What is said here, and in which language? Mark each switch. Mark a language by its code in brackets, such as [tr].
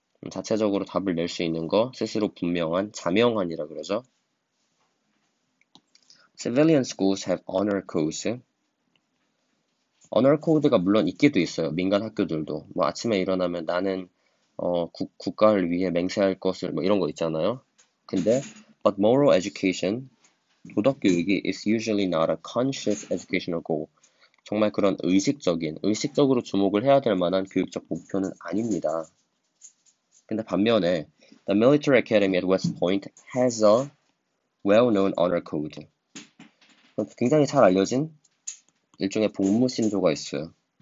[ko] 자체적으로 답을 낼수 있는 거 스스로 분명한 자명한이라 그러죠. [en] Civilian schools have honor codes. Honor code가 [ko] 물론 있기도 있어요. 민간 학교들도. 뭐 아침에 일어나면 나는 국가를 위해 맹세할 것을 뭐 이런 거 있잖아요. 근데 [en] but moral education [ko] 도덕 교육이 [en] is usually not a conscious educational goal. [ko] 정말 그런 의식적으로 주목을 해야 될 만한 교육적 목표는 아닙니다. 근데 반면에 [en] the military academy at West Point has a well-known honor code. [ko] 굉장히 잘 알려진 일종의 복무 신조가 있어요.